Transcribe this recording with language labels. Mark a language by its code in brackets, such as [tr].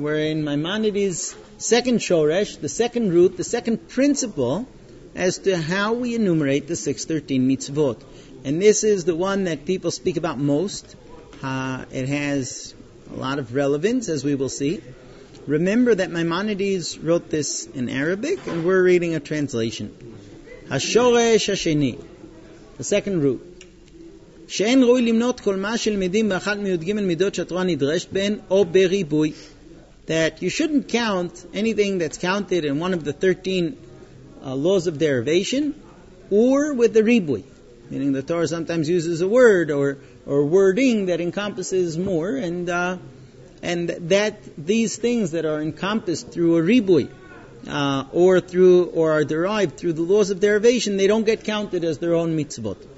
[en] We're in Maimonides' second Shoresh, the second root, the second principle as to how we enumerate the 613 mitzvot. And this is the one that people speak about most. It has a lot of relevance, as we will see. Remember that Maimonides wrote this in Arabic, and we're reading a translation. HaShoresh HaSheni, the second root. [he] שאין ראוי למנות כל מה שלמדים באחת מי"ג מידות שהתורה נדרשת בהן או בריבוי. [en] That you shouldn't count anything that's counted in one of the 13 laws of derivation or with the ריבוי. Meaning the Torah sometimes uses a word or wording that encompasses more and that these things that are encompassed through a ריבוי or are derived through the laws of derivation, they don't get counted as their own mitzvot.